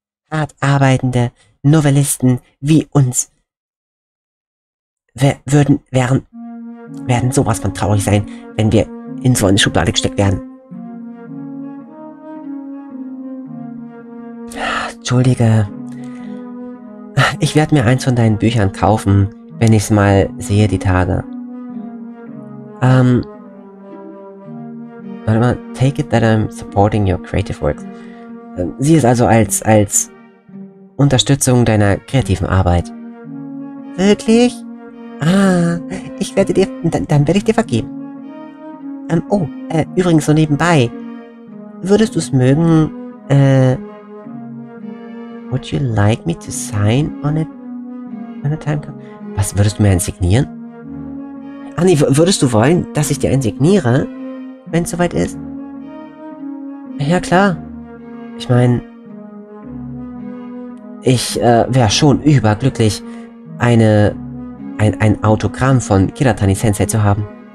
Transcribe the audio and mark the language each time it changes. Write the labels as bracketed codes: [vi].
[de] Hart arbeitende Novellisten wie uns werden sowas von traurig sein, wenn wir in so eine Schublade gesteckt werden. Entschuldige. Ich werde mir eins von deinen Büchern kaufen, wenn ich es mal sehe, die Tage. Warte mal. [en] Take it that I'm supporting your creative works. [de] Sieh es also als Unterstützung deiner kreativen Arbeit. Wirklich? Ah, ich werde dir... Dann werde ich dir vergeben. Übrigens so nebenbei. Würdest du es mögen, [en] Would you like me to sign on it? On a time card? [de] Was, würdest du mir signieren? Ach nee, würdest du wollen, dass ich dir signiere, wenn es soweit ist? Ja, klar. Ich meine, ich wäre schon überglücklich, ein Autogramm von Kiratani-Sensei zu haben.